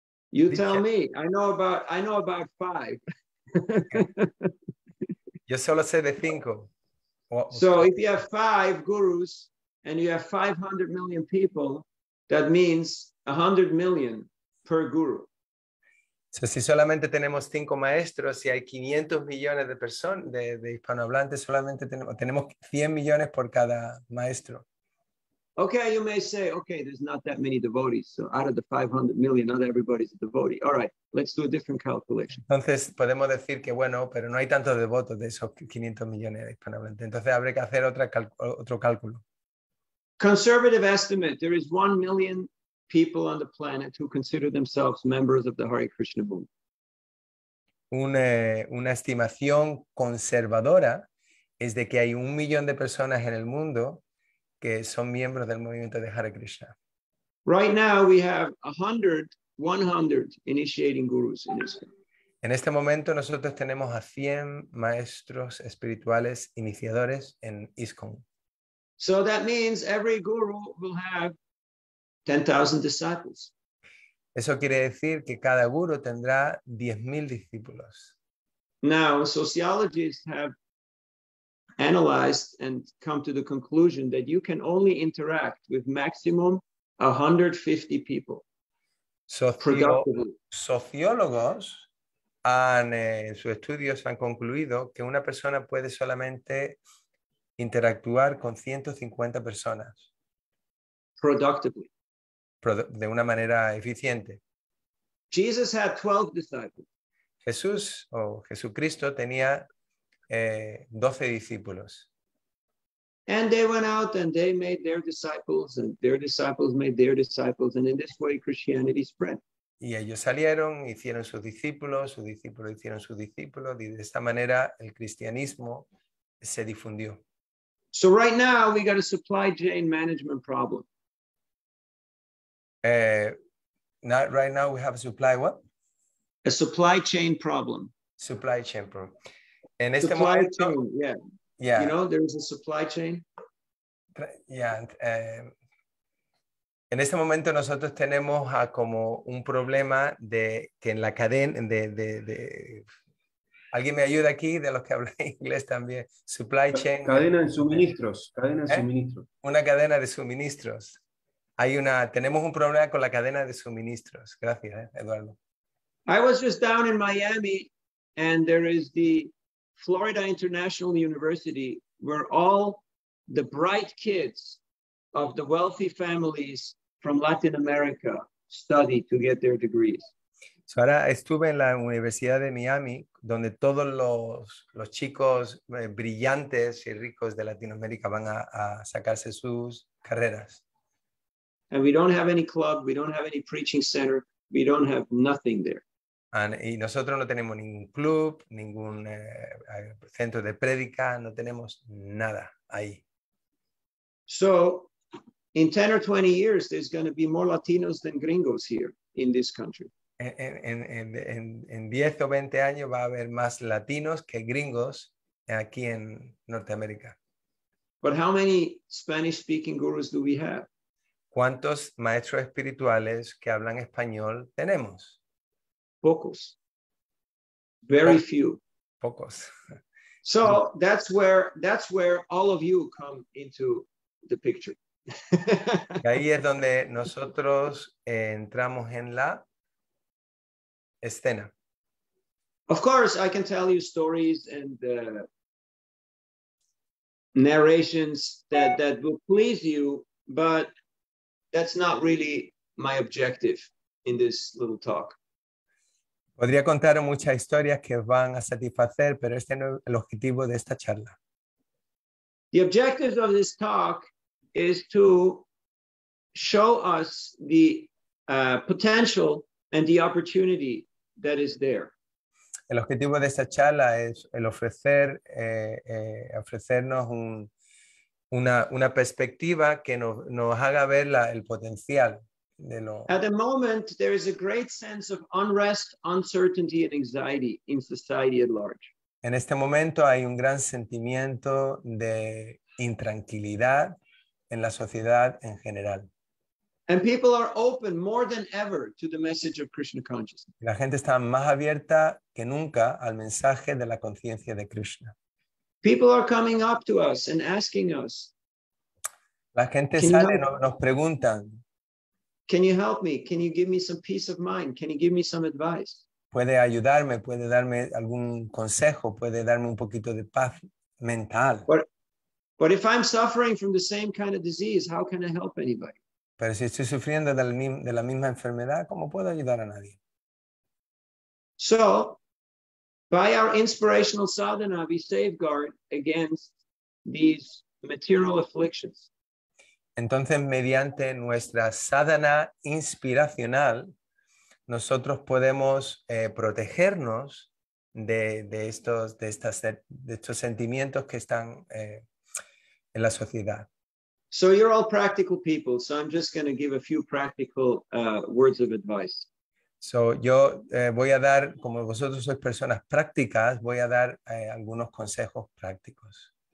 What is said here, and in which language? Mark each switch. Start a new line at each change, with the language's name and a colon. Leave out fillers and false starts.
English: You tell me. I know about 5.
Spanish: Yo solo sé de 5.
English: So if you have 5 gurus and you have 500 million people, that means 100 million per guru.
Spanish: So, si solamente tenemos 5 maestros y hay 500 millones de personas de hispanohablantes, solamente tenemos 100 millones por cada maestro.
English: Okay, you may say, okay, there's not that many devotees. So out of the 500 million, not everybody's a devotee. All right, let's do a different calculation.
Spanish: Entonces podemos decir que bueno, pero no hay tantos devotos de esos 500 millones de hispanohablantes. Entonces habrá que hacer otro cálculo.
English: Conservative estimate, there is 1 million people on the planet who consider themselves members of the Hare Krishna movement.
Spanish: Una estimación conservadora es de que hay 1 millón de personas en el mundo que son miembros del movimiento de Hare Krishna.
English: Right now we have 100 initiating gurus in Israel.
Spanish: En este momento nosotros tenemos a 100 maestros espirituales iniciadores en ISKCON.
English: So that means every guru will have 10,000 disciples.
Spanish: Eso quiere decir que cada guru tendrá 10,000 discípulos.
English: Now, sociologists have analyzed and come to the conclusion that you can only interact with maximum 150 people.
Spanish: Sociólogos han en sus estudios han concluido que una persona puede solamente interactuar con 150 personas.
English: Productively.
Spanish: De una manera eficiente.
English: Jesus had 12 disciples.
Spanish: Jesús o Jesucristo tenía 12 discípulos.
English: And they went out and they made their disciples and their disciples made their disciples and in this way Christianity spread.
Spanish: Y ellos salieron, hicieron sus discípulos hicieron sus discípulos y de esta manera el cristianismo se difundió.
English: So right now we got a supply chain management problem. Not right now we have a supply what? A supply chain problem. Supply chain problem.
Spanish: En este
English: supply
Spanish: momento,
English: chain, yeah. Yeah. You know, there is a supply chain. Yeah.
Spanish: En este momento nosotros tenemos a como un problema de que en la cadena de alguien me ayuda aquí de los que hablan inglés también.
English: Supply chain.
Spanish: Cadena de suministros. Cadena de suministros. Una cadena de suministros. Tenemos un problema con la cadena de suministros. Gracias, Eduardo.
English: I was just down in Miami and there is the Florida International University where all the bright kids of the wealthy families from Latin America study to get their degrees.
Spanish: So ahora estuve en la Universidad de Miami donde todos los chicos brillantes y ricos de Latinoamérica van a sacarse sus carreras.
English: And we don't have any club, we don't have any preaching center, we don't have nothing there.
Spanish: Y nosotros no tenemos ningún club, ningún centro de prédica, no tenemos nada ahí.
English: So, in 10 or 20 years, there's going to be more Latinos than gringos here in this country.
Spanish: En 10 o 20 años va a haber más latinos que gringos aquí en Norteamérica.
English: But how many Spanish-speaking gurus do we have?
Spanish: ¿Cuántos maestros espirituales que hablan español tenemos? Pocos.
English: Very few.
Spanish: Pocos.
English: So that's where all of you come into the picture.
Spanish: Y ahí es donde nosotros entramos en la escena.
English: Of course, I can tell you stories and narrations that will please you, but that's not really my objective in this little talk.
Spanish: Podría contar muchas historias que van a satisfacer, pero este no es el objetivo de esta charla.
English: The objective of this talk is to show us the potential and the opportunity that is there.
Spanish: El objetivo de esta charla es el ofrecernos una perspectiva que nos haga ver el potencial.
English: At the moment, there is a great sense of unrest, uncertainty, and anxiety in society at large.
Spanish: En este momento hay un gran sentimiento de intranquilidad en la sociedad en general.
English: And people are open more than ever to the message of Krishna consciousness.
Spanish: La gente está más abierta que nunca al mensaje de la conciencia de Krishna.
English: People are coming up to us and asking us. La gente sale y nos preguntan. Can you help me? Can you give me some peace of mind? Can you give me some advice?
Spanish: Puede ayudarme, puede darme algún consejo, puede darme un poquito de paz mental.
English: But if I'm suffering from the same kind of disease, how can I help anybody?
Spanish: Pero si estoy sufriendo de la misma enfermedad, ¿cómo puedo ayudar a nadie?
English: So, by our inspirational sadhana, we safeguard against these material afflictions.
Spanish: Entonces, mediante nuestra sadhana inspiracional, nosotros podemos protegernos de estos sentimientos que están en la sociedad.
English: So you're all practical people, so I'm just going to give a few practical words of advice.
Spanish: So yo voy a dar, como vosotros sois personas prácticas, voy a dar algunos consejos prácticos.